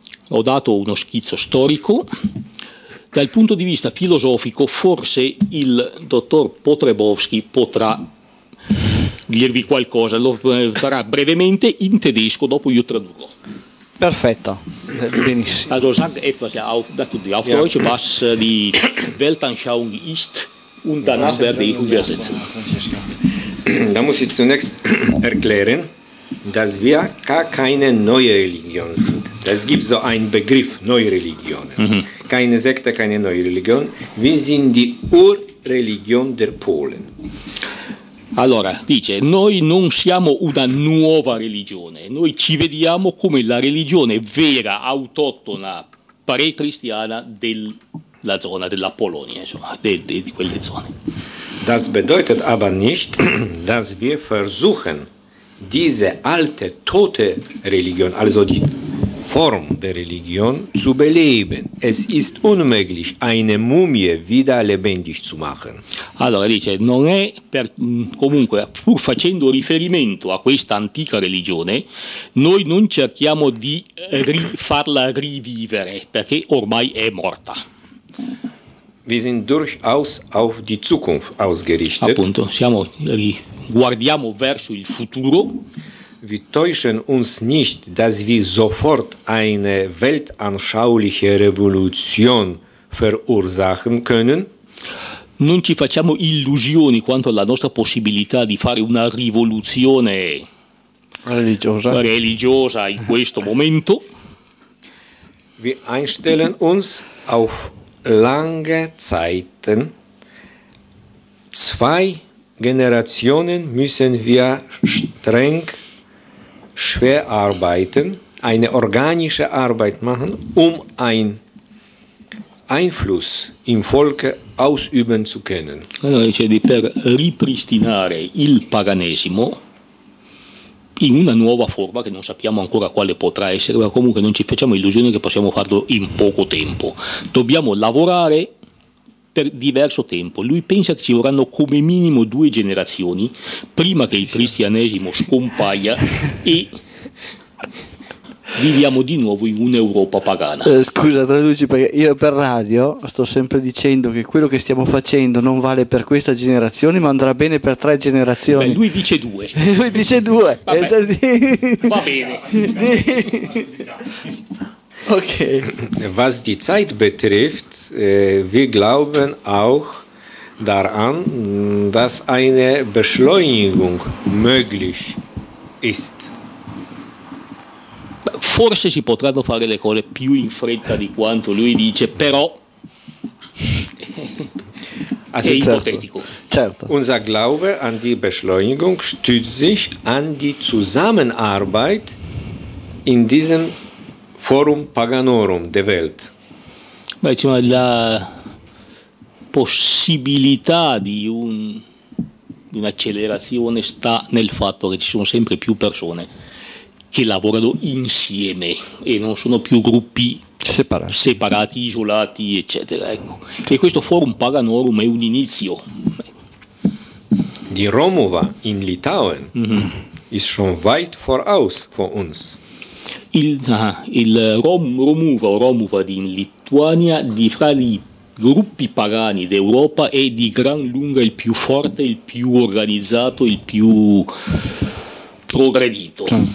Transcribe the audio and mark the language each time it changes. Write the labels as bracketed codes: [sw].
[it] Ho dato uno schizzo storico. Dal punto di vista filosofico, forse il dottor Potrebowski potrà dirvi qualcosa, lo farà brevemente in tedesco, dopo io tradurrò. Perfetto, benissimo. [de] Also sagt etwas auf Deutsch, was die Weltanschauung ist, und danach werde ich übersetzen. Da muss ich zunächst erklären, dass wir gar keine neue Religion sind. Es gibt so einen Begriff, neue Religion. Mhm. Keine Sekte, keine neue Religion. Wir sind die Urreligion der Polen. [it] Allora, dice, noi non siamo una nuova religione. Noi ci vediamo come la religione vera, autoctona, pre-cristiana della zona, della Polonia, insomma, di quelle zone. [de] Das bedeutet aber nicht, dass wir versuchen, diese alte, tote Religion, also die Form der Religion, zu beleben. Es ist unmöglich, eine Mumie wieder lebendig zu machen. [it] Allora dice, non è per, comunque, pur facendo riferimento a questa antica religione, noi non cerchiamo di farla rivivere, perché ormai è morta. [de] Wir sind durchaus auf die Zukunft ausgerichtet. [it] Appunto, guardiamo verso il futuro. [de] Wir täuschen uns nicht, dass wir sofort eine weltanschauliche Revolution verursachen können. [it] Non ci facciamo illusioni quanto alla nostra possibilità di fare una rivoluzione religiosa in questo momento. Wir einstellen uns auf lange Zeiten. Zwei Generationen müssen wir streng schwer arbeiten, eine organische Arbeit machen, um ein Einfluss im Volke ausüben zu können. Allora, cioè, per ripristinare il paganesimo in una nuova forma che non sappiamo ancora quale potrà essere, ma comunque non ci facciamo illusioni che possiamo farlo in poco tempo. Dobbiamo lavorare per diverso tempo. Lui pensa che ci vorranno come minimo due generazioni prima che il cristianesimo scompaia e viviamo di nuovo in un'Europa pagana. Scusa, traduci, perché io per radio sto sempre dicendo che quello che stiamo facendo non vale per questa generazione, ma andrà bene per tre generazioni. Beh, lui dice due. Lui dice due. Va bene. Ok. [de] Was die Zeit betrifft, wir glauben auch daran, dass eine Beschleunigung möglich ist. [it] Forse si potranno fare le cose più in fretta di quanto lui dice, però è ipotetico. Certo. [de] Unser Glaube an die Beschleunigung stützt sich an die Zusammenarbeit in diesem Forum Paganorum der Welt. [it] Beh, cioè, la possibilità di un'accelerazione sta nel fatto che ci sono sempre più persone che lavorano insieme e non sono più gruppi separati, isolati, eccetera. Ecco. E questo Forum Paganorum è un inizio. [de] Die Romuva in Litauen ist schon weit voraus von uns. [it] Romuva di Lituania, di fra i gruppi pagani d'Europa, è di gran lunga il più forte, il più organizzato, il più progredito.